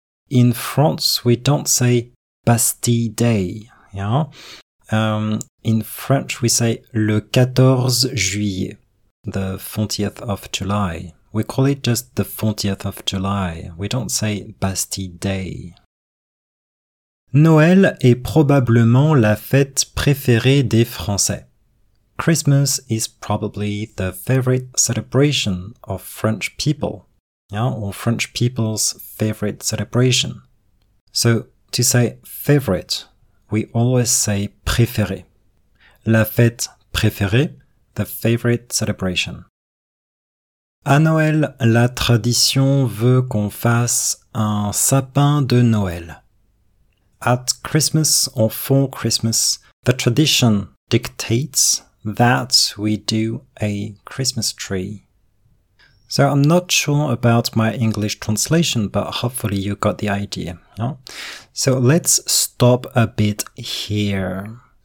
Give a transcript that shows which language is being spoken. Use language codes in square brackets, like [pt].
[en] In France, we don't say Bastille Day. Yeah. In French, we say [fr] le 14 juillet, [en] the 20th of July. We call it just the 20th of July. We don't say Bastille Day. [fr] Noël est probablement la fête préférée des Français. [en] Christmas is probably the favorite celebration of French people. Yeah, or French people's favorite celebration. So, to say favorite, we always say préféré. [fr] La fête préférée, [en] the favorite celebration. [fr] À Noël, la tradition veut qu'on fasse un sapin de Noël. [en] At Christmas, or for Christmas, the tradition dictates that we do a Christmas tree. So I'm not sure about my English translation, but hopefully you got the idea. No? So let's stop a bit here.